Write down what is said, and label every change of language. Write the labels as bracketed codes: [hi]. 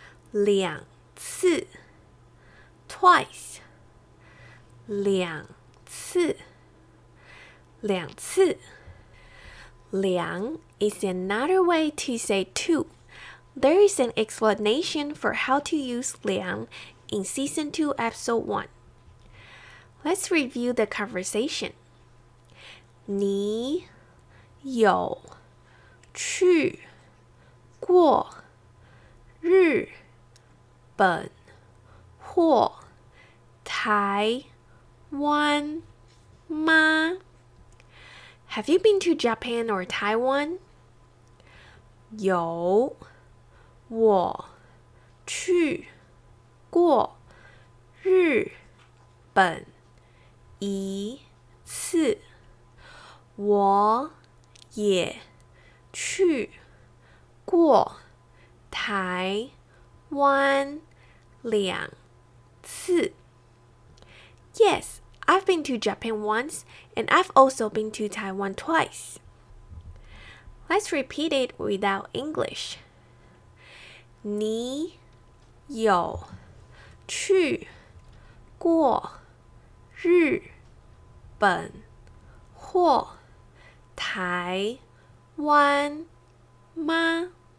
[zh] 两次 [en] twice [zh] 两次两次两 [en] is another way to say two. There is an explanation for how to use 两 in season 2 episode 1. Let's review the conversation. [zh] 你有去过日本或台湾吗? [en] Have you been to Japan or Taiwan? [zh] 有我去过日本一次。我也去过台湾两次。 [en] Yes, I've been to Japan once, and I've also been to Taiwan twice. Let's repeat it without English. [zh] 你有去过日本或台湾吗?